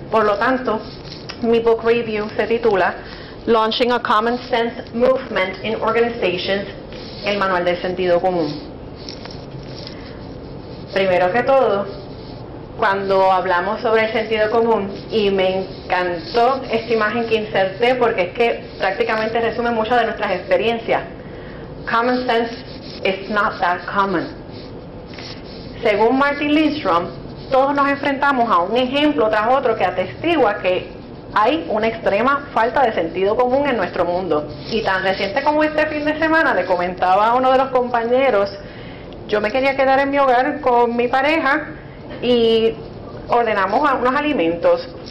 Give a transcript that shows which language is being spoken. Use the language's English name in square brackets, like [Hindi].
[Spanish] Por lo tanto, mi book review se titula Launching a Common Sense Movement in Organizations, el manual del sentido común. Primero que todo, cuando hablamos sobre el sentido común, y me encantó esta imagen que inserté porque es que prácticamente resume muchas de nuestras experiencias. [English] Common sense is not that common. [Spanish] Según Martin Lindstrom, todos nos enfrentamos a un ejemplo tras otro que atestigua que hay una extrema falta de sentido común en nuestro mundo. Y tan reciente como este fin de semana, le comentaba a uno de los compañeros, yo me quería quedar en mi hogar con mi pareja y ordenamos unos alimentos.